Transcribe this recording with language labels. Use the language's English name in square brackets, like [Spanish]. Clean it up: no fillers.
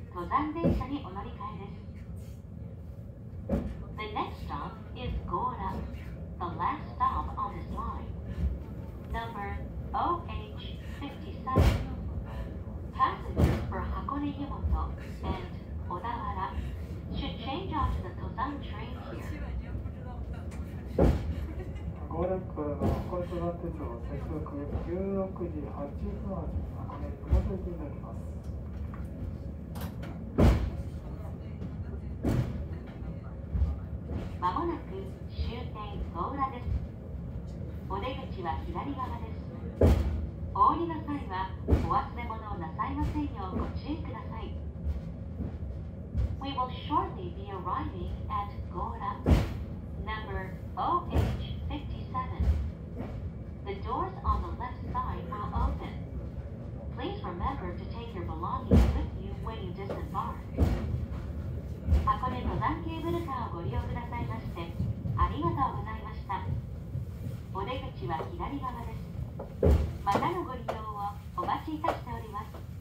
[Japanese] 番電車にお乗り換えです。 [English] The next stop is Gora, the last stop on this line. Number OH57. Passengers for Hakone Yamato and Odawara should change onto the Tozan train here. [Japanese] ゴーレックからの箱根登山鉄道接続16時8分発箱根登山鉄道になります。まもなく終点ゴーラです。お出口は左側です。お降りの際はお忘れ物をなさいませんようご注意ください。 [English] We will shortly be arriving at Gora Number OH57. The doors on the left side are open. Please remember to take your belongings with you when you disembark. [Japanese] 箱根登山ケーブルカーをご利用くださいましてありがとうございました。お出口は左側です。またのご利用をお待ちいたしております。